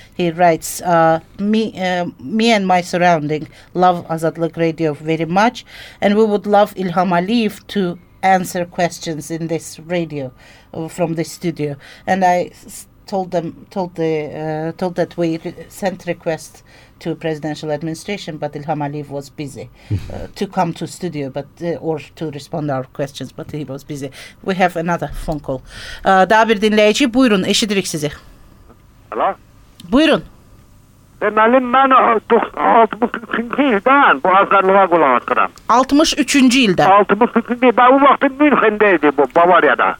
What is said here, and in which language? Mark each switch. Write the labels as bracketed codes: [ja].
[en] He writes, me and my surrounding love Azadlıq Radio very much, and we would love Ilham Aliyev to answer questions in this radio from the studio. And I told that we sent requests to presidential administration, but Ilham Aliyev was busy to come to studio, but or to respond our questions, but he was busy. We have another phone call. [az] Daha bir dinləyici, buyurun, eşidirik sizi. [en] Hello? [az] Buyurun. Deməli, mən 63-cü ildən bu Azərbaycana qulaq asıram. 63-cü ildə? 63-cü ildə, bu vaxt Münxendə idi bu, Bavariyada.